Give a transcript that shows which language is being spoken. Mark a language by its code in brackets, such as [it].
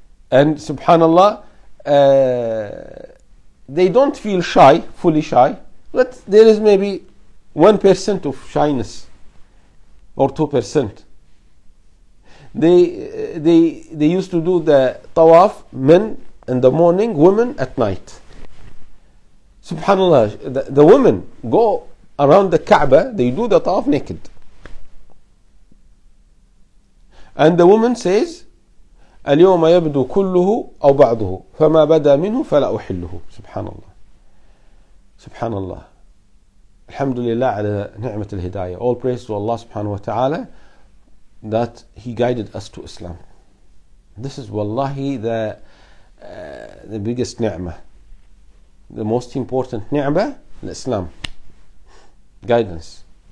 [en] And subhanallah, they don't feel shy, fully shy, but there is maybe 1% of shyness or 2%. They used to do the tawaf, men in the morning, women at night. Subhanallah, the women go around the Kaaba, they do the tawaf naked. And the woman says, [ar] اليوم يبدو كله أو بعضه فما بدا منه فلا أحله. Subhanallah. Alhamdulillah ala ni'mat al-hidayah. [en] All praise to Allah subhanahu wa ta'ala that he guided us to Islam. This is wallahi the biggest ni'mah, the most important ni'mah in Islam, guidance.